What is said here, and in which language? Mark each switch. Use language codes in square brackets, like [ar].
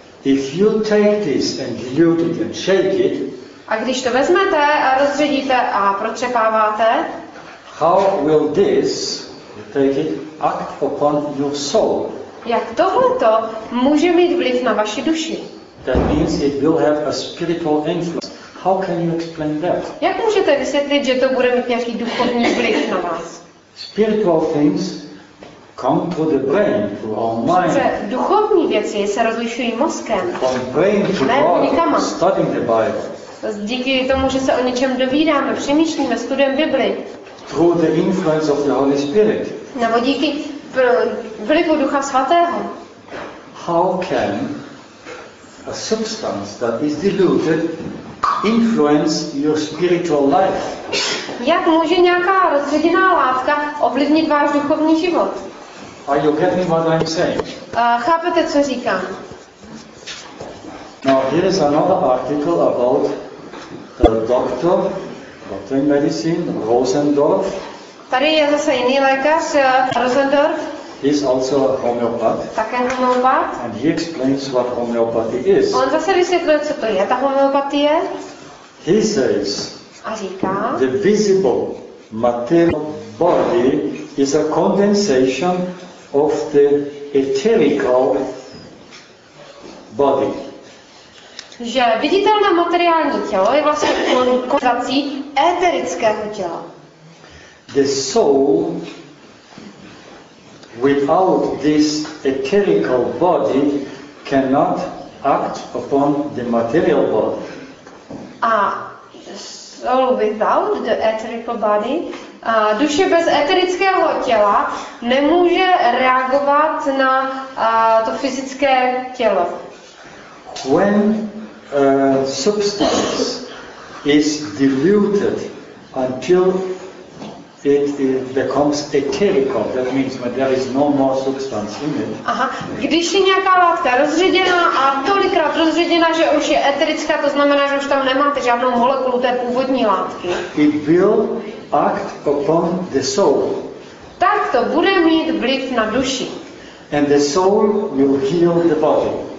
[en] If you take this and dilute it and shake it, [cs] a když to vezmete a rozředíte a protřepáváte, [en] how will this, you take it, act upon your soul? [cs] Jak tohleto může mít vliv na vaši duši? [en] That means it will have a spiritual influence. How can you explain that? [cs] Jak můžete vysvětlit, že to bude mít nějaký duchovní vliv na vás? [en] Spiritual things come to the brain, to our mind. [cs] Že duchovní věci se rozlišují mozkem. [en] From brain to heart, studying the Bible. [cs] Díky tomu, že se o něčem dovídáme, přemýšlíme, studujeme Bibli. [en] Through the influence of the Holy Spirit. [cs] Nebo díky vlivu Ducha Svatého. [en] How can a substance that is diluted influence your spiritual life? [cs] Jak může nějaká rozředěná látka ovlivnit váš duchovní život? [en] Are you getting what I'm saying? [cs] Chápete, co říkám? [en] Now here is another article about a doctor, doctor in medicine, Rosendorf. [cs] Tady je zase jiný lékař, Rosendorf. [en] He's also a homeopath. [cs] Také homeopat. [en] And he explains what homeopathy is. [cs] On zase vysvětluje, co to je ta homeopatie. [en] He says. [cs] A říká. [en] The visible material body is a condensation of the etherical body. [cs] Že viditelné materiální tělo je vlastně koncentrací éterického těla. [en] the soul without this etherical body cannot act upon the material body. Soul without the etherical body, [cs] duše bez eterického těla nemůže reagovat na to fyzické tělo. [en] When a substance is diluted until it becomes etherical, that means when there is no more substance in it. [cs] Aha, když je nějaká látka rozředěná a tolikrát rozředěná, že už je eterická, to znamená, že už tam nemáte žádnou molekulu té původní látky. [en] It will act upon the soul. [cs] Tak to bude mít vliv na duši. [en] And the soul will heal the body.